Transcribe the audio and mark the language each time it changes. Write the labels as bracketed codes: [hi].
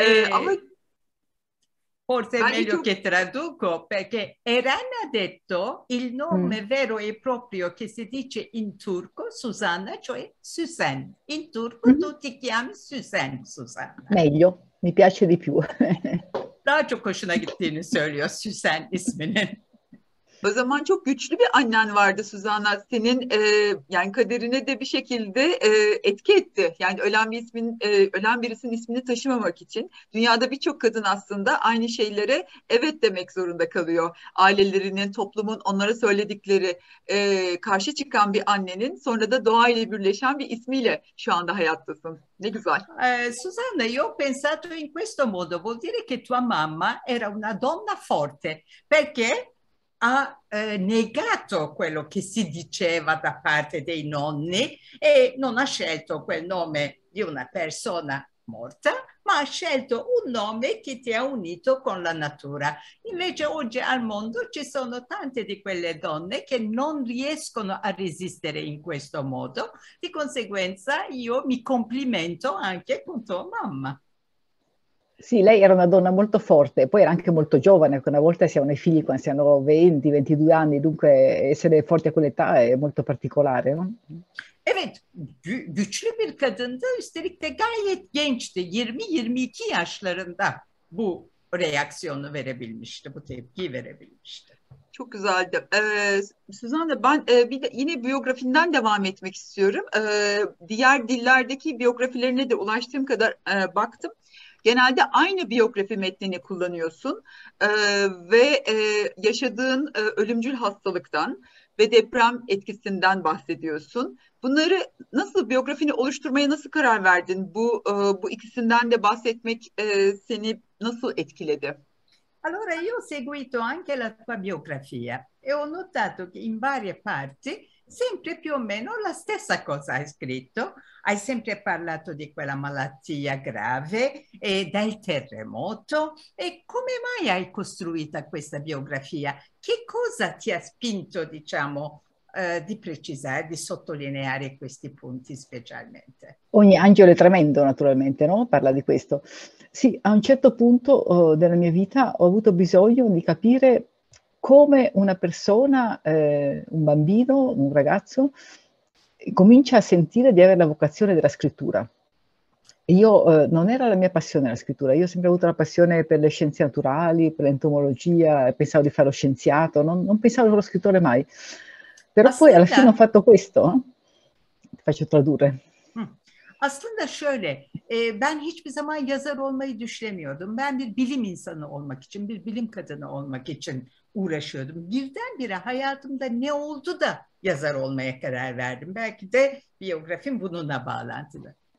[it] ama Portemello che traduco perché Eren'e detto il nome vero e proprio che si dice in turco Susanna, cioè süsen. In turco tutti chiami süsen Susanna. Meglio, mi piace di più. [tr] Daha çok hoşuna gittiğini söylüyor Süsen isminin. O zaman çok güçlü bir annen vardı Suzan'la. Senin yani kaderine de bir şekilde etki etti. Yani ölen bir ismin, ölen birisinin ismini taşımamak için. Dünyada birçok kadın aslında aynı şeylere evet demek zorunda kalıyor. Ailelerinin, toplumun onlara söyledikleri karşı çıkan bir annenin sonra da doğayla birleşen bir ismiyle şu anda hayattasın. Ne güzel. [it] Susanna, io ho pensato in questo modo. Vuol dire che tua mamma era una donna forte. Perché? Ha negato quello che si diceva da parte dei nonni e non ha scelto quel nome di una persona morta, ma ha scelto un nome che ti ha unito con la natura. Invece oggi al mondo ci sono tante di quelle donne che non riescono a resistere in questo modo. Di conseguenza io mi complimento anche con tua mamma. Sì, lei era una donna molto forte, poi era anche molto giovane, perché una volta si hanno i figli quando si hanno 20, 22 anni, dunque essere forti a quell'età è molto particolare, no? [tr] Evet, güçlü bir kadındı, üstelik de gayet gençti, 20-22 yaşlarında bu reaksiyonu verebilmişti, bu tepkiyi verebilmişti. Çok güzeldi. Suzanne, ben bir de yine biyografinden devam etmek istiyorum. Diğer dillerdeki biyografilerine de ulaştığım kadar baktım. Genelde aynı biyografi metnini kullanıyorsun ve yaşadığın ölümcül hastalıktan ve deprem etkisinden bahsediyorsun. Bunları nasıl, biyografini oluşturmaya nasıl karar verdin? Bu ikisinden de bahsetmek seni nasıl etkiledi? [it] Allora io ho seguito anche la tua biografia e ho notato che in varie parti sempre più o meno la stessa cosa hai scritto. Hai sempre parlato di quella malattia grave e del terremoto. E come mai hai costruito questa biografia? Che cosa ti ha spinto, diciamo, di precisare, di sottolineare questi punti specialmente? Ogni angelo è tremendo, naturalmente, no? Parla di questo. Sì, a un certo punto della mia vita ho avuto bisogno di capire come una persona, un bambino, un ragazzo, comincia a sentire di avere la vocazione della scrittura. Io non era la mia passione la scrittura, io ho sempre avuto la passione per le scienze naturali, per l'entomologia, pensavo di fare lo scienziato, non pensavo allo scrittore mai. Però [tr] aslında, [it] poi alla fine ho fatto questo, ti faccio tradurre. [tr] Aslında şöyle, ben hiçbir zaman yazar olmayı düşünemiyordum. Ben bir bilim insanı olmak için, bir bilim kadını olmak için uğraşıyordum. Birdenbire hayatımda ne oldu da yazar olmaya karar verdim. Belki de biyografim bununla bağlantılı.